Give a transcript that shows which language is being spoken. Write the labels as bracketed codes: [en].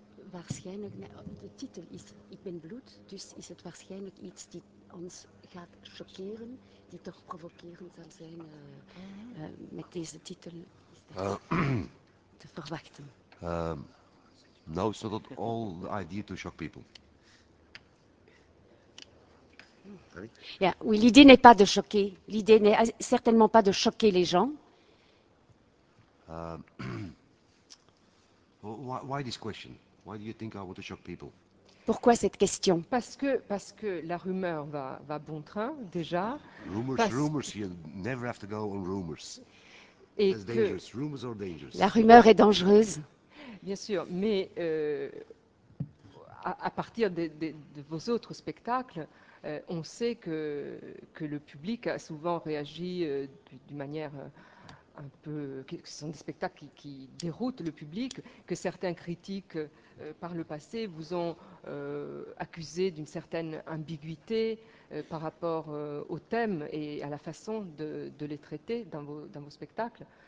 [nl] Waarschijnlijk, de titel is Ik ben bloed, dus is het waarschijnlijk iets die ons gaat choqueren, die toch provocerend zal zijn met deze titel te verwachten. [en] Now, so that all the idea to shock people. [fr] Yeah, oui, l'idée n'est pas de choquer, l'idée n'est certainement pas de choquer les gens. [en] why this question? Why do you think I want to shock people? [fr] Pourquoi cette question? Parce que la rumeur va bon train déjà. [en] Rumors, you never have to go on rumors. [fr] Et [en] dangerous. Rumors are dangerous. [fr] La rumeur est dangereuse. Bien sûr, mais à partir de vos autres spectacles, on sait que le public a souvent réagi d'une manière un peu, que ce sont des spectacles qui déroutent le public, que certains critiques par le passé vous ont accusé d'une certaine ambiguïté par rapport au thème et à la façon de les traiter dans vos spectacles.